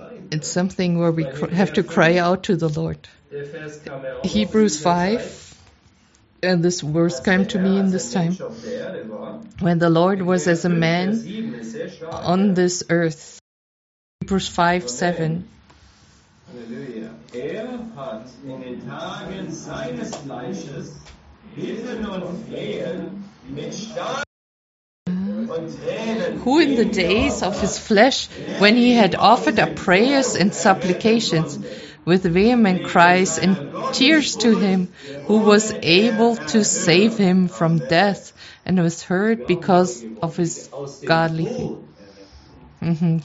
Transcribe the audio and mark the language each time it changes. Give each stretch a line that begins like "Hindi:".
English: It's something where we have to cry out to the Lord. Hebrews 5, and this verse came to me in this time, when the Lord was as a man on this earth. Hebrews 5, 7.
German: Er hat in den Tagen seines Fleisches Bitten und Flehen mit Stahl.
English: Who in the days of his flesh, when he had offered up prayers and supplications with vehement cries and tears to him who was able to save him from death and was heard because of his godly faith.